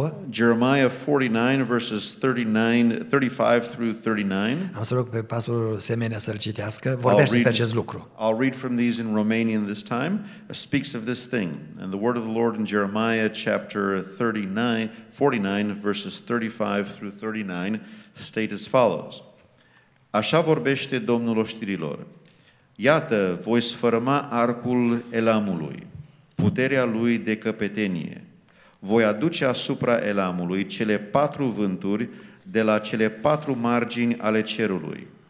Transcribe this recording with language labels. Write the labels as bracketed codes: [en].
[en] Jeremiah 49 verses 35 through 39. [ro] Am să rog pe pastor Semenea să-l citească. Vorbește despre acest lucru. [en] I'll read from these in Romanian this time. It speaks of this thing, and the word of the Lord in Jeremiah chapter 49 verses 35-39 state as follows. [ro] Așa vorbește Domnul oștirilor. Iată, voi sfărâma arcul Elamului, puterea lui de căpetenie. Voi aduce asupra Elamului cele 4 vânturi de la cele 4 margini ale cerului.